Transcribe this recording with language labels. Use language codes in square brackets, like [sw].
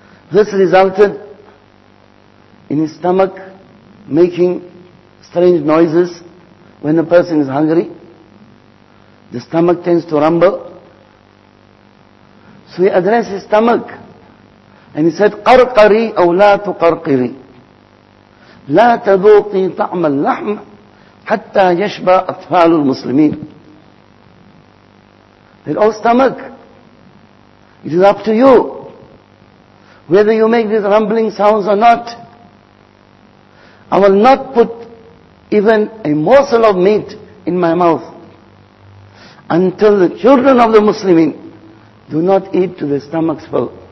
[en] This resulted in his stomach making strange noises. When a person is hungry, the stomach tends to rumble. So he addressed his stomach and he said, [ar] Qarqari aw la tuqarqiri. لا تذوقي طعم اللحم حتى يشبع أطفال المسلمين. [en] They're all stomach. It is up to you whether you make these rumbling sounds or not. I will not put even a morsel of meat in my mouth until the children of the Muslimin do not eat to their stomach's full.